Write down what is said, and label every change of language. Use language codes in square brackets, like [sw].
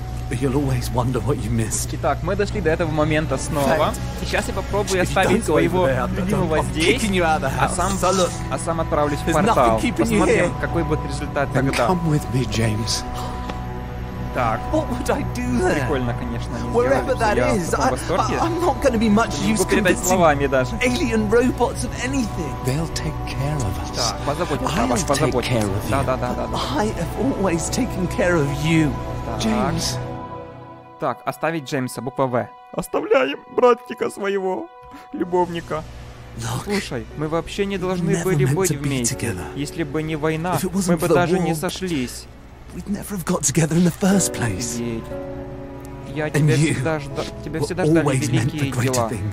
[ru] Итак, мы дошли до этого момента снова. И сейчас я попробую оставить своего любимого здесь, а сам отправлюсь в портал. Посмотрим, какой будет результат тогда. [en] Then come with me, James. [ru] Да, Так. [en] What would I do there? [ru] Прикольно, конечно, они [en] wherever that is, I'm not going to be much use convincing alien robots of anything. They'll take care of us. [ru] Так, позаботьтесь. Да. [en] I have always taken care of you, James. [ru] Так, оставить Джеймса, буква В. Оставляем братика своего, любовника. Слушай, мы вообще не должны были быть вместе. Если бы не война, мы бы даже не сошлись. [en] We'd never have got together in the first place. [ru] Я тебя всегда ждали великие дела.